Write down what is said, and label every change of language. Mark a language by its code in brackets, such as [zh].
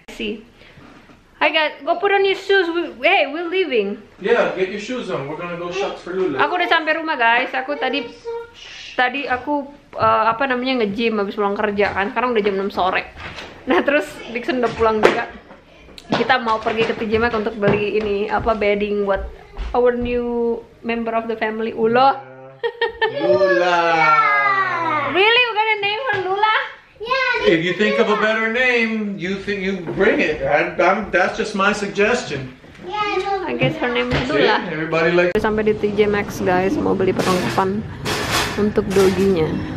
[en] See, hi guys, go put on your shoes. Hey, we're leaving. Yeah, get your shoes on. We're gonna go shop for Lula. [id] Aku udah sampai rumah guys. Aku tadi aku nge-gym habis pulang kerja kan. Sekarang udah jam 6 sore. Nah terus Dixon udah pulang juga. Kita mau pergi ke TJ Maxx untuk beli ini bedding buat [en] our new member of the family, [id] Ulo. Lula. [en] Really, we got a name for Lula? Yeah. If you think of a better name, you bring it. I'm that's just my suggestion. Yeah, I guess her name is Lula. See, everybody like. [id] Sampai di TJ Maxx guys, mau beli perlengkapan untuk doginya.